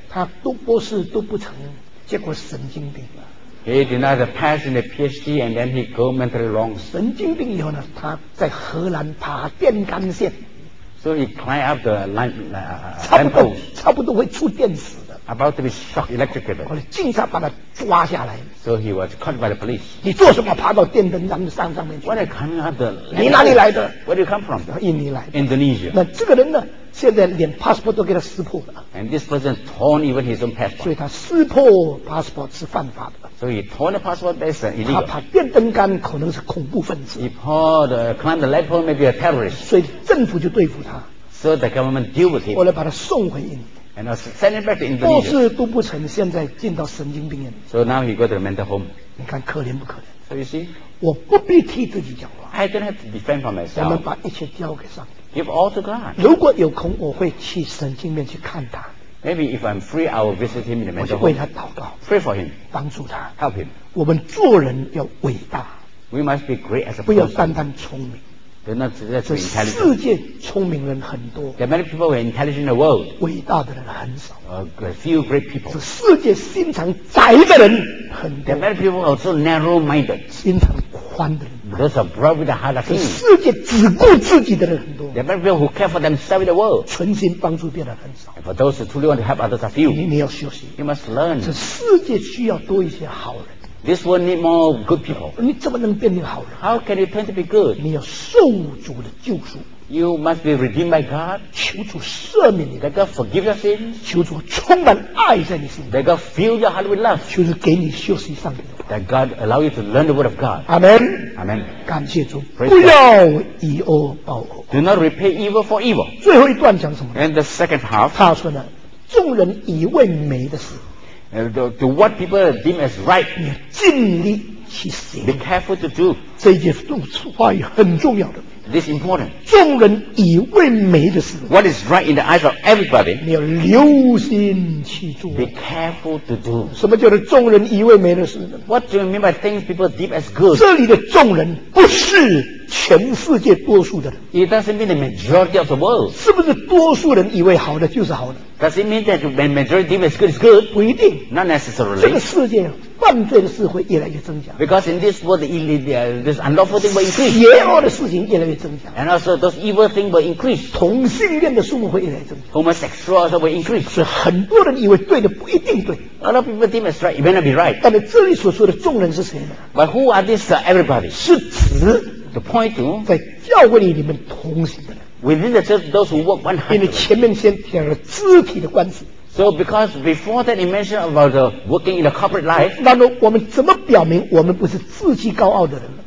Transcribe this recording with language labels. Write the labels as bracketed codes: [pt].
[zh] 他读博士都不成，结果神经病了。 [en] He denied the pass in the PhD and then he go mentally wrong. [zh] 神经病以后呢？他在荷兰爬电杆线。 [en] So he climbed up the lamp pole. [zh] 差不多会触电死的。 [en] About to be shocked electrically. [zh] 后来警察把他抓下来。 [en] So he was caught by the police. [zh] 你做什么爬到电灯上面去 [en] ？When I come out the, [zh] 你哪里来的 [en] ？Where do you come from？ [zh] 印尼来的。 [en] Indonesia. [zh] 那这个人呢？现在连 passport 都给他撕破了。 [en] And this person torn even his own passport. [zh] 所以他撕破 passport 是犯法的。 [en] So he torn the passport, that's illegal. [zh] 他爬电灯杆可能是恐怖分子。 [en] He climbed the light pole, maybe a terrorist. [zh] 所以政府就对付他。 [en] So the government deal with him. [zh] 后来把他送回印尼。 [en] And I send him back to Indonesia. [zh] 博士读不成，现在进到神经病院。 [en] So now he go to the mental home. [zh] 你看可怜不可怜 [en] ？So you see, [zh] 我不必替自己讲话。 [en] I don't have to defend for myself. [zh] 我们把一切交给上帝。 [en] Give all to God. [zh] 如果有空，我会去神经病院去看他。 [en] Maybe if I'm free, I will visit him in the mental home. [zh] 我为他祷告。 [en] Pray for him. [zh] 帮助他。 [en] Help him. [zh] 我们做人要伟大。 [en] We must be great as a person. [zh] 不要单单聪明。那只是在世界聪明人很多。 [en] There are many people who are intelligent in the world. [zh] 伟大的人很少。 [en] A few great people. [zh] 世界心肠窄的人很多。 [en] There are many people who are so narrow-minded. [zh] 心肠宽的人。 [en] Those are broad with a heart of king. [zh] 世界只顾自己的人很多。 [en] There are many people who care for themselves in the world. [zh] 存心帮助别人很少。 [en] And for those who truly want to help others, a few. [zh] 你要学习。 [en] You must learn. [zh] 这世界需要多一些好人。 [en] This world need more good people. [zh] 你怎么能变成好人 [en] ？How can you turn to be good? [zh] 你要受主的救赎。 [en] You must be redeemed by God. [zh] 求主赦免你。 [en] That God forgive your sins. [zh] 求主充满爱在你心里。 [en] That God fill your heart with love. [zh] 求主给你休息上帝的话。 [en] That God allow you to learn the word of God. Amen. Amen. [zh] 感谢主。 [en] Praise、 [zh] 不要以恶报恶。 [en] Do not repay evil for evil. [zh] 最后一段讲什么 [en] ？And the second half. [zh] 他说呢，众人以为美的事。 [en] To what people deem as right, be careful to do. [zh] 这一句话语很重要的。 [en] This important. [zh] 众人以为美的事。 [en] What is right in the eyes of everybody? [zh] 你要留心去做。 [en] Be careful to do. [zh] 什么叫做众人以为美的事呢 [en] ？What do you mean by things people deem as good? [zh] 这里的众人不是全世界多数的人。 [en] It doesn't mean the majority of the world. [zh] 是不是多数人以为好的就是好的？ [en] Does it mean that the majority deem as good is good? [zh] 不一定。 [en] Not necessarily. [zh] 这个世界犯罪的事会越来越增加。 [en] Because in this world, the illegal, this unlawful thing will increase. [zh] 邪恶的事情越来越增加。 [en] And also, those evil things will increase. [zh] 同性恋的数目会越来越增加。 [en] Homosexual also will increase. [zh] 所以很多人以为对的不一定对。 [en] A lot of people deem as right, it may not be right. [zh] 但是这里所说的众人是谁呢 [en] ？But who are these everybody? [zh] 是指 [en] the point to [zh] 在教会里面同行的人。 [en] Within the church, those who work 100. [zh] 因为前面先提了肢体的关系。 [en] So because before that, he mentioned about the working in the corporate life. [zh] 那么我们怎么表明我们不是自欺高傲的人呢